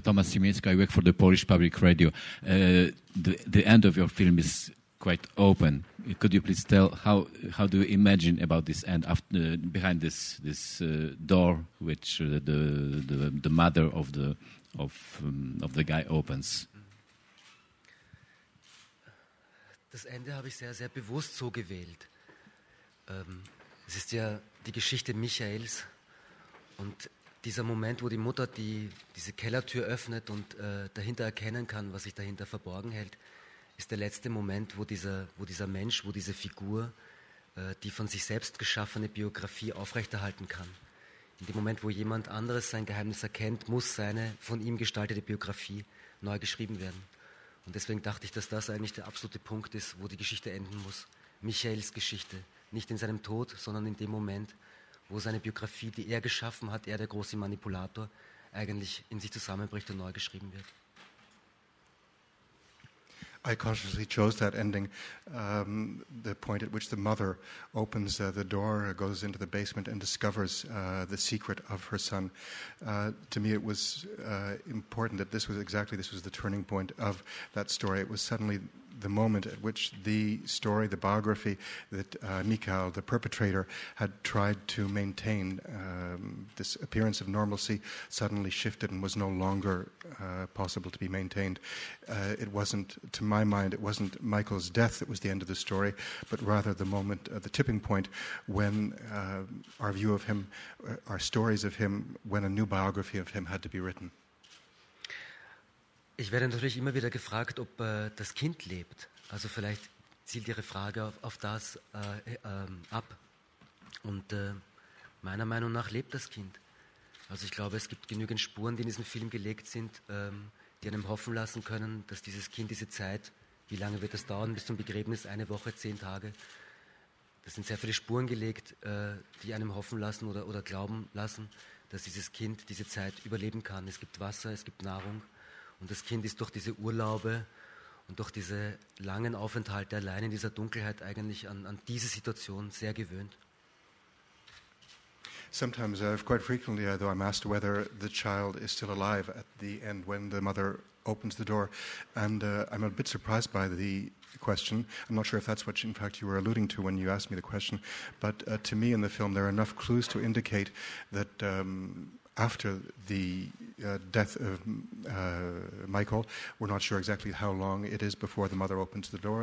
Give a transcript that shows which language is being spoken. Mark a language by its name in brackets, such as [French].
[English] Thomas Siminski, I work for the Polish Public Radio. The end of your film is quite open. Could you please tell how do you imagine about this end after, behind this door, which the mother of the guy opens? [German] Das Ende habe ich sehr sehr bewusst so gewählt. Es ist ja die Geschichte Michaels und dieser Moment, wo die Mutter diese Kellertür öffnet und dahinter erkennen kann, was sich dahinter verborgen hält, ist der letzte Moment, wo dieser Mensch, wo diese Figur die von sich selbst geschaffene Biografie aufrechterhalten kann. In dem Moment, wo jemand anderes sein Geheimnis erkennt, muss seine von ihm gestaltete Biografie neu geschrieben werden. Und deswegen dachte ich, dass das eigentlich der absolute Punkt ist, wo die Geschichte enden muss. Michaels Geschichte. Nicht in seinem Tod, sondern in dem Moment, wo seine Biografie, die er geschaffen hat, er, der große Manipulator, eigentlich in sich zusammenbricht und neu geschrieben wird. [English] I consciously chose that ending, the point at which the mother opens the door, goes into the basement and discovers the secret of her son. To me, it was important that this was the turning point of that story. It was suddenly the moment at which the story, the biography that Michael, the perpetrator, had tried to maintain, this appearance of normalcy, suddenly shifted and was no longer possible to be maintained. It wasn't, to my mind, it wasn't Michael's death that was the end of the story, but rather the moment, the tipping point, when our view of him, our stories of him, when a new biography of him had to be written. [German] Ich werde natürlich immer wieder gefragt, ob das Kind lebt. Also vielleicht zielt Ihre Frage auf das ab. Und meiner Meinung nach lebt das Kind. Also ich glaube, es gibt genügend Spuren, die in diesem Film gelegt sind, die einem hoffen lassen können, dass dieses Kind diese Zeit, wie lange wird das dauern bis zum Begräbnis, eine Woche, 10 Tage, das sind sehr viele Spuren gelegt, die einem hoffen lassen oder glauben lassen, dass dieses Kind diese Zeit überleben kann. Es gibt Wasser, es gibt Nahrung. Und das Kind ist durch diese Urlaube und durch diese langen Aufenthalte allein in dieser Dunkelheit eigentlich an diese Situation sehr gewöhnt. [English] Sometimes, quite frequently, though, I'm asked whether the child is still alive at the end when the mother opens the door. And I'm a bit surprised by the question. I'm not sure if that's what, in fact, you were alluding to when you asked me the question. But to me, in the film, there are enough clues to indicate that after the death of Michael, we're not sure exactly how long it is before the mother opens the door.